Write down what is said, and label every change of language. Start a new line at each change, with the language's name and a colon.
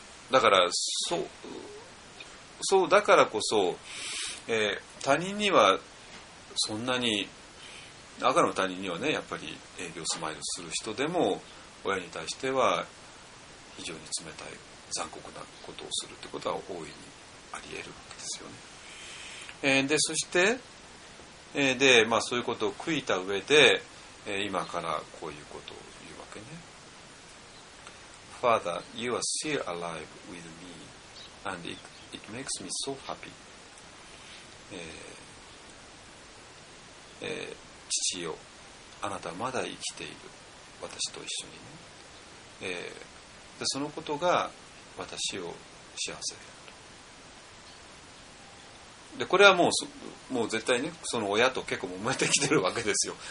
Japanese: だからそうだからこそ、他人にはそんなに、赤の他人にはね、やっぱり営業スマイルする人でも親に対しては非常に冷たい残酷なことをするってことは大いにあり得るわけですよね。でそして、でまあそういうことを悔いた上で、今からこういうことを言うわけね。
English: Father, you are still alive with me, and it makes me so happy.
Japanese: 父よ、あなたはまだ生きている、私と一緒にね。でそのことが私を幸せであると。でこれはもう絶対ね、その親と結構揉めてきてるわけですよ。